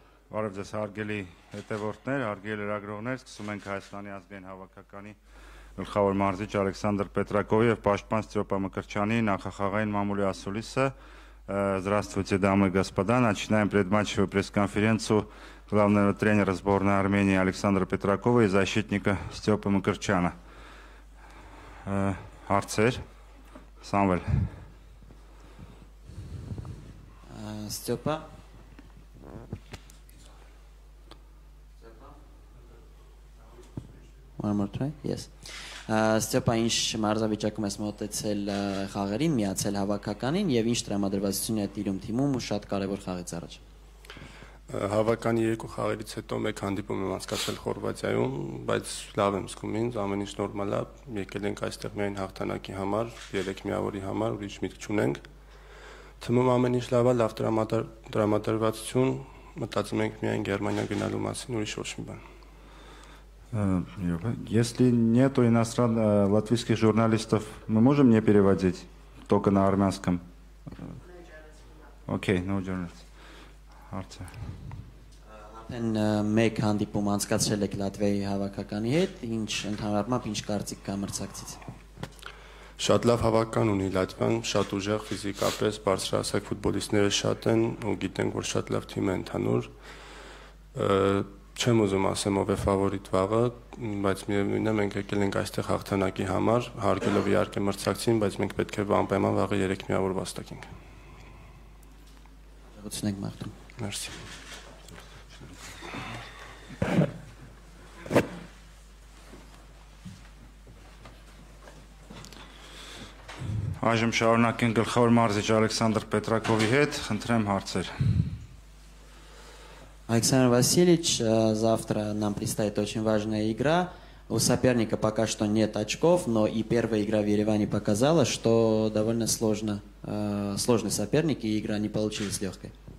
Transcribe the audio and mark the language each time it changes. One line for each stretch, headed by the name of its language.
Armenian: Բարև ձեզ, հարգելի հետևորդներ, հարգելի լրագրողներ, սկսում ենք Հայաստանի ազգային հավաքականի գլխավոր մարզիչ Ալեքսանդր Պետրակովի և պաշտպան Ստեփան Մկրտչյանի նախախաղային մամուլի ասուլիսը.
Russian: Здравствуйте, дамы и господа. Начинаем предматчевую пресс-конференцию главного тренера сборной Армении Александра Петракова и защитника Степы Мукарчана.
Armenian: Арцер Самвель. Степа.
English: One more try? Yes.
Armenian: Ստեփան, ինչ մարզավիճակում ես մոտեցել խաղերին, միացել հավաքականին և ինչ տրամադրվածություն է տիրում թիմում ու շատ կարևոր խաղից առաջ? Հավաքականի երկու խաղերից հետո մեկ հանդիպում եմ անցկացրել Խորվատիայում, բայց լավ եմ զգում ինձ, ամեն ինչ նորմալ է, եկել ենք այստեղ միայն հաղթանակի համար, երեք միավորի համար, ուրիշ միտք չունենք, թվում ամեն ինչ լավ է, լավ տրամադրվածություն, մտածում ենք միայն Գերմանիա գնալու մասին, ուրիշ ոչ մի բան.
Russian: Если нет иностранных латвийских журналистов, мы можем не переводить только на армянском?
English: Окей, no journalists.
Armenian: Арце. Արդեն մեկ հանդիպում անցկացրել եք Լատվիայի հավաքականի հետ, ինչ ընդհանրապես ինչ կարծիք կա մրցակցից? Շատ լավ հավաքական ունի Լատվիան, շատ ուժեղ ֆիզիկապես, բարձրահասակ ֆուտբոլիստները շատ են ու գիտենք, որ շատ լավ թիմ է ընդհանուր։ Չեմ ուզում ասեմ, ով է ֆավորիտ վաղը, բայց միևնույն է, մենք եկել ենք այստեղ հաղթանակի համար, հարգելով իհարկե մրցակցին, բայց մենք պետք է անպայման վաղը երեք միավոր վաստակենք։ Հաջողություն ենք մաղթում։ Մերսի։ Այժմ շարունակենք գլխավոր մարզիչ Ալեքսանդր Պետրակովի հետ, խնդրեմ հարցեր։
Russian: Александр Васильевич, завтра нам предстоит очень важная игра. У соперника пока что нет очков, но и первая игра в Ереване показала, что довольно сложно. Сложный соперник, и игра не получилась легкой.